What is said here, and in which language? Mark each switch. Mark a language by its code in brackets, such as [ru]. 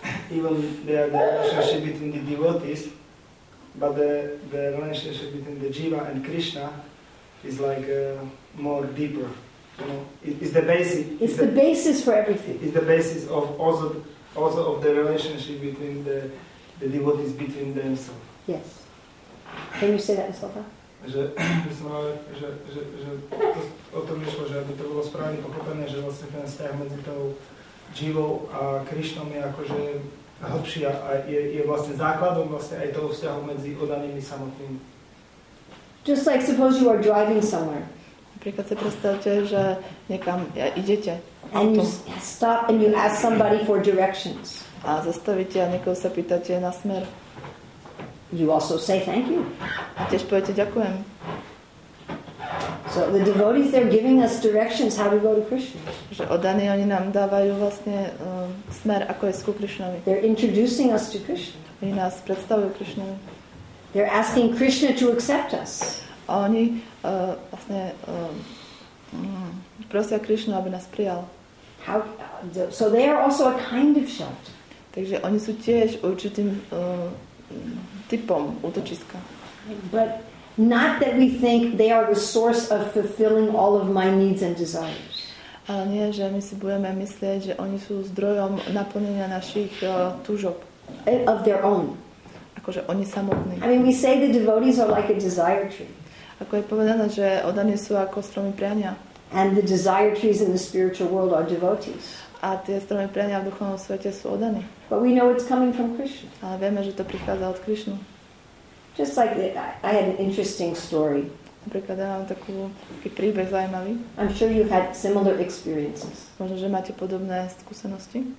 [en] Even there, the relationship between the devotees, but the relationship between the jiva and Krishna is like more deeper. You know, it's the basic. It's the basis for everything. It's the basis of also of the relationship between the devotees between themselves. Yes. Can you say that, Mustafa? [cs] Že myslím, že to o tom išlo, že aby to bylo správně pochopené, že vlastně ten vztah mezi tou jivou a Krišnou je jakože hlubší a je vlastně základem vlastně i toho vztahu mezi oddanými samotnými. [en] Just like suppose you are driving somewhere. [sk] Napríklad si predstavte, že niekam idete. [en] And you stop and you ask somebody for directions. [sk] A zastavíte a niekoho sa pýtate na smer. [en] You also say thank you. [sk] A tiež poviete ďakujem. [en] So the devotees, they're giving us directions how to go to Krishna. [sk] Že oddaní, oni nám dávajú vlastne smer, ako ísť ku Krišnovi. [en] They're introducing us to Krishna. [sk] Oni nás predstavujú Krišnovi. [en] They're asking Krishna to accept us. [sk] A oni vlastne prosia Krishnu, aby nás prijal. [en] How, so they are also a kind of shelter. [sk] Takže oni sú tiež určitým typom útočiska. [en] But not that we think they are the source of fulfilling all of my needs and desires. [sk] Ale nie, že my si budeme myslieť, že oni sú zdrojom naplnenia našich túžob. [en] Of their own. [sk] Akože oni samotní. [en] I mean, we say the devotees are like a desire tree. [sk] Ako je povedané, že oddaní sú ako stromy priania. [en] And the desire trees in the spiritual world are devotees. [sk] A tie stromy priania v duchovnom svete sú oddaní. [en] But we know it's coming from Krishna. [sk] Ale vieme, že to prichádza od Krishnu. [en] Just like that, I had an interesting story. [sk] Napríklad ja mám taký príbeh zaujímavý. [en] I'm sure you've had similar experiences. [sk] Možno, že máte podobné skúsenosti.